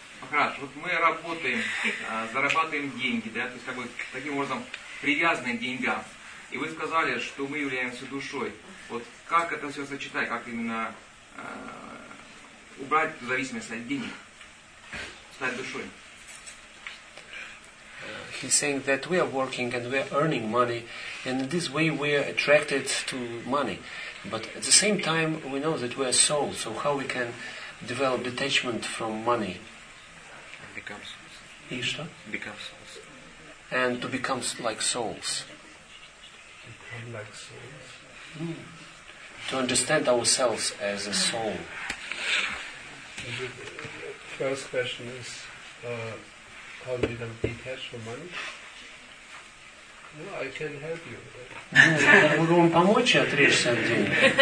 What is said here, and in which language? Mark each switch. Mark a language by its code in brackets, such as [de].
[ru] Хорошо, вот мы работаем, зарабатываем деньги, да, то есть как бы таким образом привязаны к деньгам. И вы сказали, что мы являемся душой. Вот как это все сочетать, как именно убрать эту зависимость от денег, стать душой? [en] He's saying that we are working and we are earning money, and in this way we are attracted to money. But at the same time we know that we are soul. So how we can develop detachment from money? Become souls. And to become like souls. Like souls. Mm. To understand ourselves as a soul. First question is, how do you detach from money? No, I can help you. [ru] Могу вам помочь отречься от денег.